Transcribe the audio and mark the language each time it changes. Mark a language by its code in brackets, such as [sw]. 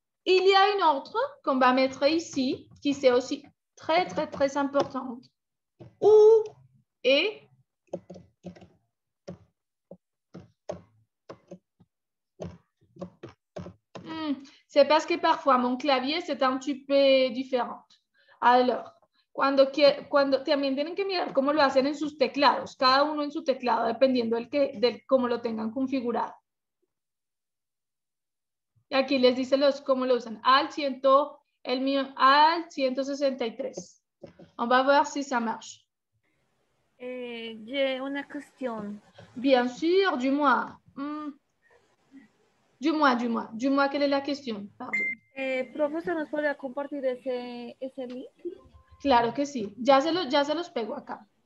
[fr] Il y a une autre qu'on va mettre ici, qui c'est aussi très, très, très importante. Où est... C'est parce que parfois mon clavier c'est un petit peu différent. [es] Alors, cuando también tienen que mirar cómo lo hacen en sus teclados, cada uno en su teclado, dependiendo del cómo lo tengan configurado. Y aquí les dice cómo lo usan. Al 163. [fr] On va ver si ça marche. J'ai [es] una cuestión. [fr] Bien sûr, dis-moi. Dis-moi, quelle est la question, pardon. Professeur, nous pourrions [es] compartir ese link? Claro que sí, ya se los pego acá.